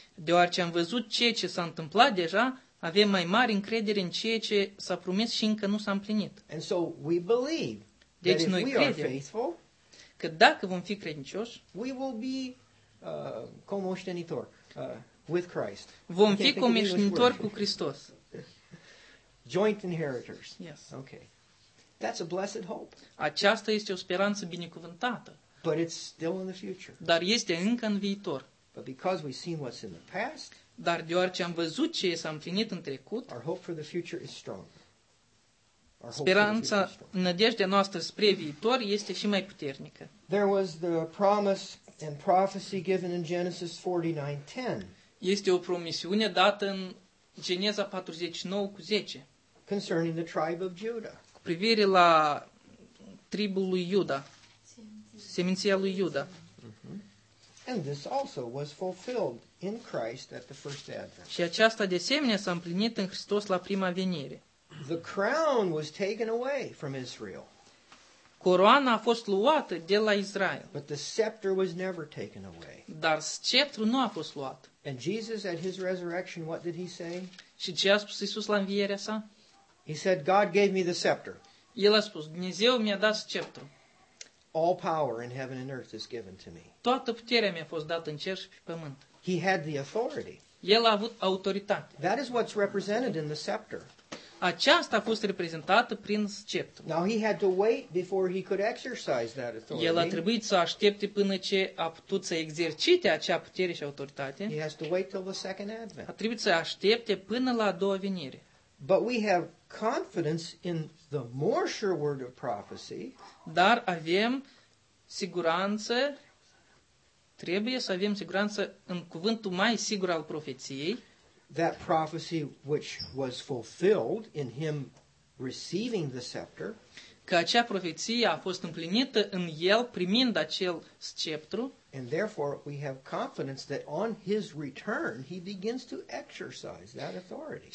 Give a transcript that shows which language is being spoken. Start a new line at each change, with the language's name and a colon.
Romanian: Deoarece am văzut ceea ce s-a întâmplat deja, avem mai mare încredere în ceea ce s-a promis și încă nu s-a împlinit.
English: And so we believe
Romanian: deci
English: that if we are faithful,
Romanian: că dacă vom fi credincioși,
English: we will be
Romanian: comoștenitor.
English: With Christ.
Romanian: Vom fi comeșnitori cu Hristos.
English: Joint inheritors. Yes. Okay. That's a blessed hope.
Romanian: Aceasta este o speranță binecuvântată.
English: But it's still in the future.
Romanian: Dar este încă în viitor.
English: But because we've seen what's in the past,
Romanian: dar deoarece am văzut ce s-a împlinit în trecut,
English: our hope for the future is strong.
Romanian: Speranța, nădejdea noastră spre viitor este și mai puternică.
English: There was the promise and prophecy given in Genesis 49:10.
Romanian: Este o promisiune dată în Geneza 49:10.
English: Concerning the tribe of Judah.
Romanian: Cu privire la tribul lui Iuda. Seminția lui Iuda. Mm-hmm.
English: And this also was fulfilled in Christ at the first advent.
Romanian: Și aceasta de asemenea s-a împlinit în Hristos la prima venire.
English: The crown was taken away from Israel.
Romanian: Coroana a fost luată de la Israel.
English: But the scepter was never taken away.
Romanian: Dar sceptrul nu a fost luat.
English: And Jesus at his resurrection, what did he say?
Romanian: Și ce a spus Iisus la învierea sa?
English: He said, God gave me the scepter.
Romanian: El a spus, Dumnezeu mi-a dat sceptrul.
English: All power in heaven and earth is given to me.
Romanian: Toată puterea mi-a fost dată în cer și pe pământ.
English: He had the authority.
Romanian: El a avut autoritate.
English: That is what's represented in the scepter.
Romanian: Aceasta a fost reprezentată prin sceptru.
English: Now he had to wait before he could exercise that authority.
Romanian: El a trebuit să aștepte până ce a putut să exercite acea putere și autoritate.
English: He has to wait till the second advent.
Romanian: A trebuit să aștepte până la a doua venire.
English: But we have confidence in the more sure word of prophecy.
Romanian: Dar avem siguranță, trebuie să avem siguranță în cuvântul mai sigur al profeției.
English: That prophecy which was fulfilled in him receiving the scepter,
Romanian: că acea profeție a fost împlinită în el primind acel sceptru,
English: and therefore we have confidence that on his return he begins to exercise that authority.